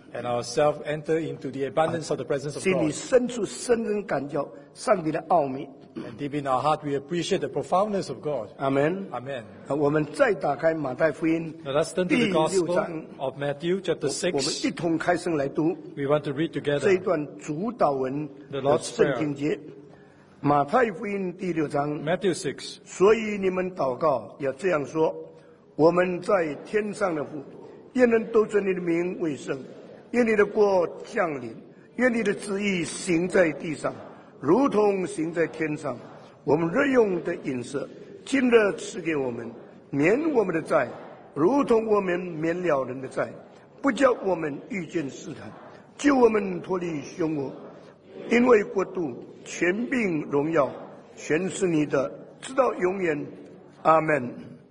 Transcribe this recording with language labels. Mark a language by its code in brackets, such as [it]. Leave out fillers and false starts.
[en] And ourselves enter into the abundance of the presence of God， [zh] 心里深处深深感觉上帝的奥秘。 [en] And deep in our heart, we appreciate the profoundness of God. Amen. Amen. [zh] 我们再打开马太福音 [en] Let us turn to the Gospel of Matthew, chapter 6. [zh] 我们一同开声来读 [en] We want to read together [zh] 这一段主导文的圣经节 马太福音第六章 [en] Matthew 6. [zh] 所以你们祷告要这样说，我们在天上的父，愿人都尊你的名为圣，愿你的国降临，愿你的旨意行在地上如同行在天上，我们日用的饮食今日赐给我们，免我们的债如同我们免了人的债，不叫我们遇见试探，救我们脱离凶恶，因为国度权柄荣耀全是你的，直到永远，阿们。